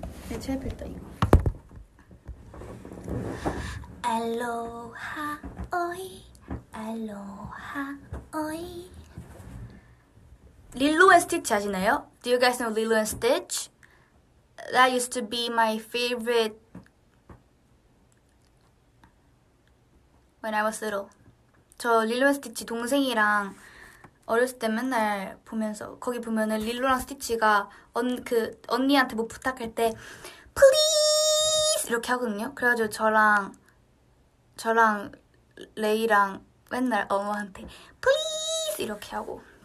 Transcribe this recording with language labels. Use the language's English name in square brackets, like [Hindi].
[Korean] 내 최애 필터 이거. 알로하 오이 알로하 오이. 릴로 앤 스티치 아시나요? [English] Do you guys know Lilo and Stitch? That used to be my favorite when I was little. [Korean] 저 릴로 앤 스티치 동생이랑 어렸을 때 맨날 보면서, 거기 보면은 릴로랑 스티치가 언니한테 뭐 부탁할 때 please 이렇게 하거든요. 그래가지고 저랑 레이랑 맨날 엄마한테 please 이렇게 하고.